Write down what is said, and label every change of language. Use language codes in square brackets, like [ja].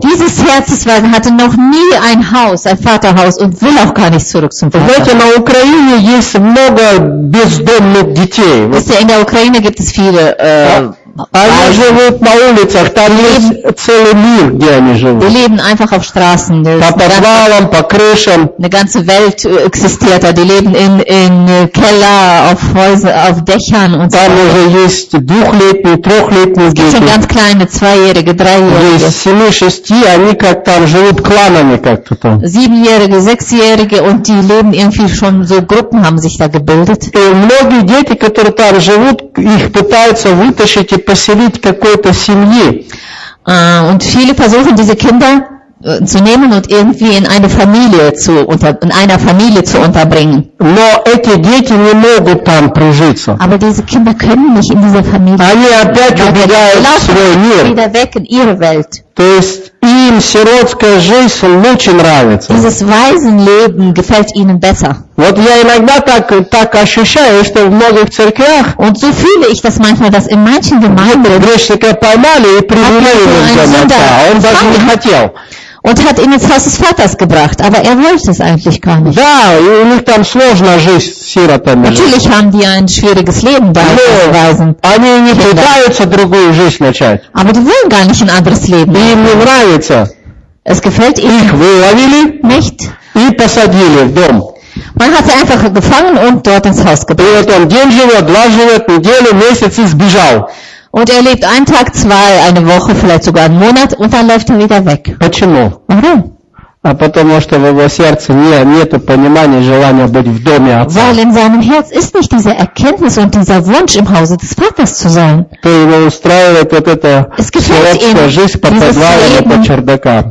[de] Dieses Herz des Waisen hatte noch nie ein Haus, ein Vaterhaus und will auch gar nicht zurück zum Vater. Wisst ihr, in der Ukraine gibt es viele [ru] Они живут на улицах, там есть целый мир, где они живут. [de] Die leben einfach auf Straßen. [ru] По подвалам, по крышам. [de] Eine ganze Welt existiert da. Die leben in Keller, auf Häuser, auf Dächern und [ru] там Там уже есть двухлетние, трехлетние дети. [de] Es gibt ganz kleine, zweijährige, dreijährige. [ru] Есть семи, шести, они как там живут кланами как-то там. [de] Siebenjährige, sechsjährige und die leben irgendwie schon so Gruppen haben sich da gebildet. [ru] И многие дети, которые там живут, их пытаются вытащить. поселить какой-то семьи. [de] Und viele versuchen diese Kinder zu nehmen und irgendwie in eine Familie zu unter, in einer Familie zu unterbringen. [ru] Но эти дети не могут там прижиться. [de] Aber diese Kinder können nicht in dieser Familie. [ru] Они опять убегают в свой мир. [de] Wieder weg in ihre Welt. [ru] То есть им сиротская жизнь лучше нравится. [de] Dieses Waisenleben gefällt ihnen besser. [ru] Вот я иногда так ощущаю, что в многих церквях. [de] Und so fühle ich das manchmal, dass in manchen Gemeinden. [ru] Грешника поймали и привели его домой. Он даже не хотел. [de] Und hat ihn ins Haus des Vaters gebracht, aber er wollte es eigentlich gar nicht. [ru] Да, у них там сложная жизнь с сиротами. [de] Natürlich haben die ein schwieriges Leben da. [ru] Но они не пытаются другую жизнь начать. [de] Aber die wollen gar nicht ein anderes Leben. [ru] Им не нравится. [de] Es gefällt ihnen. [ru] Их выловили. [de] Nicht. [ru] И посадили в дом. [de] Man hat sie einfach gefangen und dort ins Haus gebracht. [ru] И вот он день живет, два живет, неделю, месяц и сбежал. [de] Und er lebt einen Tag, zwei, eine Woche, vielleicht sogar einen Monat, und dann läuft er wieder weg. [ru] Почему? [de] Warum? [ru] А потому что в его сердце нету понимания, желания быть в доме отца. [de] Weil in seinem Herz ist nicht diese Erkenntnis und dieser Wunsch im Hause des Vaters zu sein. [ru] То его устраивает вот эта сиротская жизнь по подвалам и по чердакам.